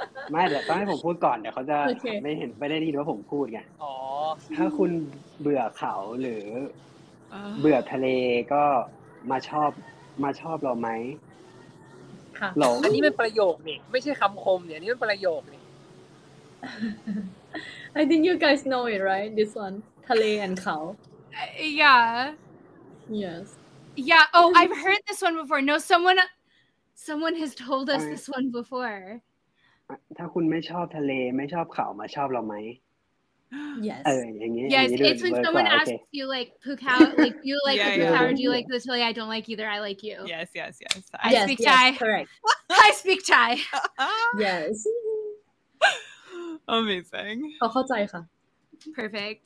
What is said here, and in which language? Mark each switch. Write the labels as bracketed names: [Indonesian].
[Thai] ไม่เดี๋ยวต้องให้ผมพูดก่อนเดี๋ยวเขาจะไม่เห็นไม่ได้ยินว่าผมพูดไง อ๋อ ถ้าคุณเบื่อเขาหรือเบื่อทะเลก็มาชอบเรามั้ย ค่ะอันนี้เป็นประโยคนี่ไม่ใช่คําคมเนี่ยอันนี้เป็นประโยคนี่ [English] I think you guys know it right this one [Thai] ทะเลกับเขา [English] yeah yes yeah oh I've heard this one before no someone has told us this one before [Thai] ถ้าคุณไม่ชอบทะเลไม่ชอบเขามาชอบเราไหม [English] yes [Thai] อย่างเงี้ย [English] yes it's when someone asks you like Pukau like you like Pukau do you like the Thai I don't like either I like you yes yes yes I speak Thai correct I speak Thai yes amazing [Thai] เข้าใจค่ะ [English] perfect